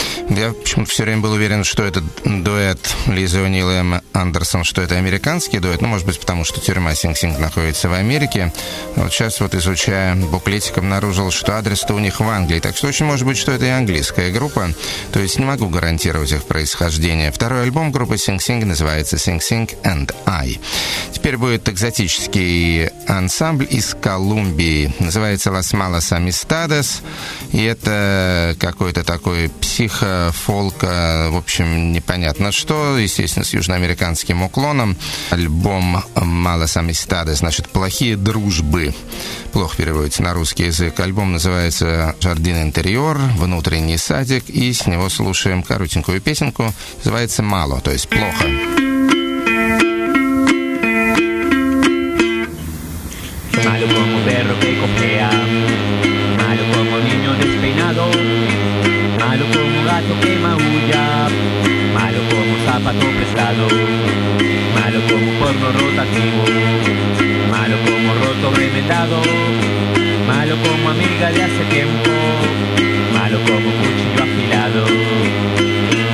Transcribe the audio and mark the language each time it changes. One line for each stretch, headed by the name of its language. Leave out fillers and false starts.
Russian: Я почему-то все время был уверен, что это дуэт Лизы О'Нил и Эммы Андерсон, что это американский дуэт. Ну, может быть, потому что тюрьма Sing Sing находится в Америке. Но вот сейчас вот изучая буклетик, обнаружил, что адрес-то у них в Англии. Так что очень может быть, что это и английская группа. То есть не могу гарантировать их происхождение. Второй альбом группы Sing Sing называется Sing Sing and I. Теперь будет экзотический ансамбль из Колумбии. Называется Las Malas Amistades. И это какой-то такой психофолка, в общем, непонятно что. Естественно, с южноамериканским уклоном. Альбом Malas Amistades, значит, плохие дружбы. Плохо переводится на русский язык. Альбом называется Jardín Interior, внутренний садик. И с него слушаем коротенькую песенку. Называется «Мало», то есть «Плохо».
Spanish: Malo como perro que cojea, malo como niño despeinado, malo como gato que maulla, malo como zapato prestado, malo como porno rotativo, malo como roto remendado, malo como amiga de hace tiempo, malo como cuchillo afilado.